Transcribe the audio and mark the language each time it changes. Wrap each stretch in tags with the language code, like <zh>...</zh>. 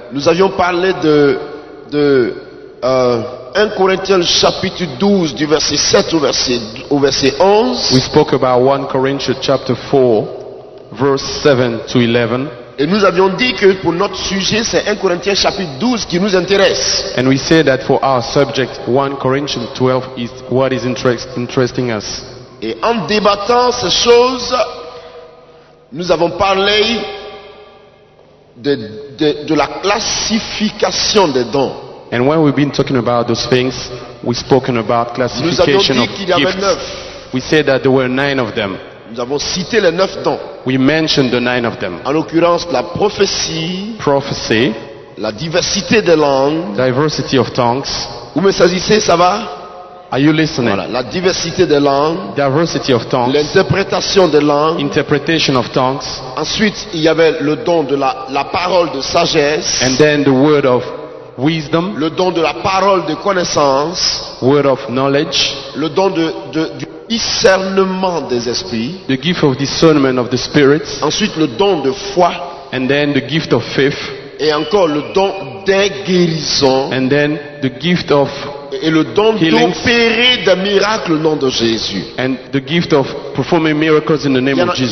<fr>Nous avions parlé de 1 Corinthiens chapitre 12, du verset 7 au verset 11.</fr> <en>We spoke about 1 Corinthians chapter 4, verse 7 to 11.</en> <fr>Et nous avions dit que pour notre sujet, c'est 1 Corinthiens chapitre 12 qui nous intéresse.</fr> <en>And we said that for our subject, 1 Corinthians 12 is what is interesting us.</en> <fr>Et en débattant ces choses, nous avons parlé de la classification des dons.</fr> <en>And when we've been talking about those things, we've spoken about classification of gifts.</en> <fr>Nous avions dit qu'il y avait 9.</fr> <en>We said that there were 9 of them.</en> <fr>Nous avons cité les 9 dons.</fr> <en>We mentioned the 9 of them.</en> <fr>En l'occurrence, la prophétie.</fr> <en>Prophecy.</en> <fr>La diversité des langues.</fr> <en>Diversity of tongues.</en> <fr>Vous me saisissez, ça va?</fr> <en>Are you listening?</en> <fr>Voilà, la diversité des langues.</fr> <en>Diversity of tongues.</en> <fr>L'interprétation des langues.</fr> <en>Interpretation of tongues.</en> <fr>Ensuite, il y avait le don de la parole de sagesse.</fr> <en>And then the word of wisdom.</en> <fr>Le don de la parole de connaissance.</fr> <en>Word of knowledge.</en> <fr>Le don de discernement des esprits.</fr> <en>The gift of discernment of the spirits.</en> <fr>Ensuite, le don de foi.</fr> <en>And then the gift of faith.</en> <fr>Et encore le don des guérisons.</fr> <en>And then the gift of</en> <fr>et le don</fr> <en>healings.</en> <fr>D'opérer des miracles au nom de Jésus.</fr> <en>And the gift of performing miracles in the name of Jesus.</en>